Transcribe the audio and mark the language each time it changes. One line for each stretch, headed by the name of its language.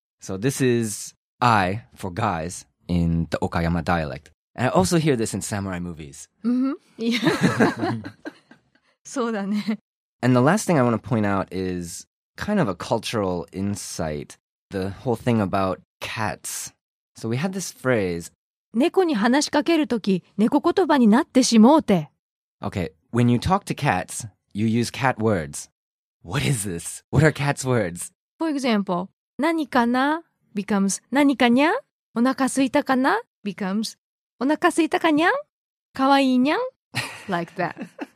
English: So this is I for guys in the Okayama dialect. And I also hear this in samurai movies. Mm-hmm. Yeah.
Japanese: So da ne.
English: And the last thing I want to point out is kind of a cultural insight. The whole thing about cats. So we had this phrase.
Japanese: 猫に話しかけるとき、猫言葉になってしもうて。
English: Okay, when you talk to cats, you use cat words. What is this? What are cats' words? For example,
Japanese: 何かな
English: becomes
Japanese: 何かにゃん。お腹すいたかな
English: becomes
Japanese: お腹すいたかにゃん。かわいいにゃん。
English: Like that.